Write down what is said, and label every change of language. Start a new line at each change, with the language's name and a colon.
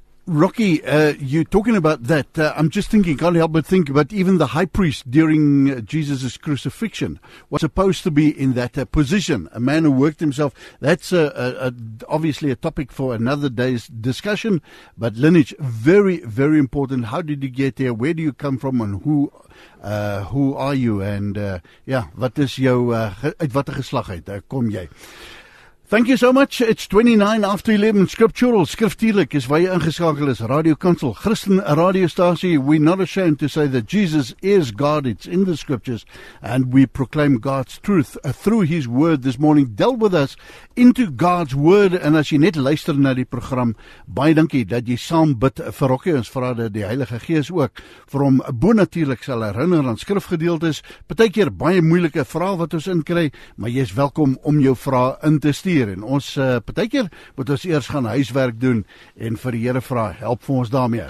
English: Rocky, you're talking about that. I'm just thinking, can't help but think about even the high priest during Jesus' crucifixion was supposed to be in that position, a man who worked himself. That's obviously a topic for another day's discussion. But lineage, very, very important. How did you get there? Where do you come from? And who are you?
Afrikaans: And, wat is jou, uit wat geslag uit kom jy?
English: Thank you so much. It's 29 after 11. Scriptural,
Afrikaans: Skriftuurlik is waar jy ingeschakel is. Radio Council, Christen Radio Stasi.
English: We're not ashamed to say that Jesus is God. It's in the scriptures. And we proclaim God's truth through his word this morning. Deel with us into God's word.
Afrikaans: En as jy net luister na die program, baie dankie dat jy saam bid vir Rokkie. Ons vra dat die Heilige Gees ook vir hom bonatuurlik sal herinner aan skrifgedeeltes. Partykeer baie moeilike vraag wat ons inkry, maar jy is welkom om jou vraag in te stel. En ons, partykeer, moet ons eers gaan huiswerk doen en vir die Here vra, help vir ons daarmee.